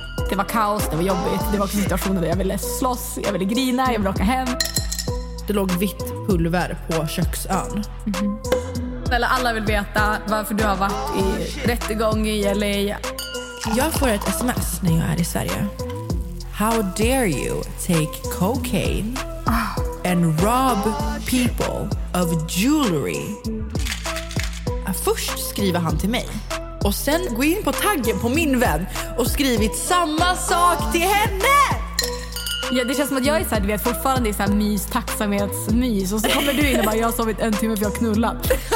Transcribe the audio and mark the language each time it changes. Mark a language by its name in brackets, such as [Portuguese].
[Swedish] Det var kaos, det var jobbigt. Det var också situationer där jag ville slåss, jag ville grina, jag ville åka hem. Det låg vitt pulver på köksön. Mm-hmm. Alla vill veta varför du har varit i rättegång i LA. Jag får ett sms när jag är i Sverige. [English] How dare you take cocaine and rob people of jewelry? [Swedish] Först skriver han till mig och sen går in på taggen på min vän och skrivit samma sak till henne. Ja, det känns som att jag är så här, du vet, fortfarande är så här mys, tacksamhetsmys, och så kommer du in och bara, jag har sovit en timme för jag har knullat.